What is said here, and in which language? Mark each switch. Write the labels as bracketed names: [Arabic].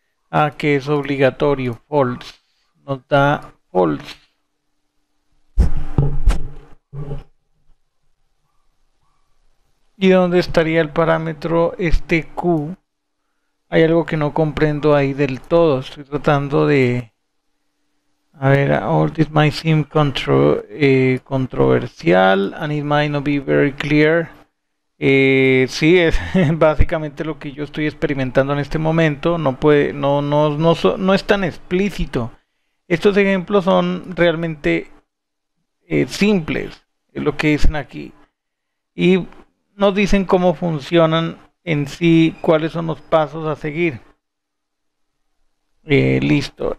[Spanish] Ah, que es obligatorio. False. Nos da false. ¿Y dónde estaría el parámetro este Q? Hay algo que no comprendo ahí del todo. Estoy tratando de. A ver, [English] all this might seem controversial and it might not be very clear. [Spanish] Sí, es básicamente lo que yo estoy experimentando en este momento. No puede, no es tan explícito. Estos ejemplos son realmente simples, es lo que dicen aquí. Y no dicen cómo funcionan en sí, cuáles son los pasos a seguir. Listo.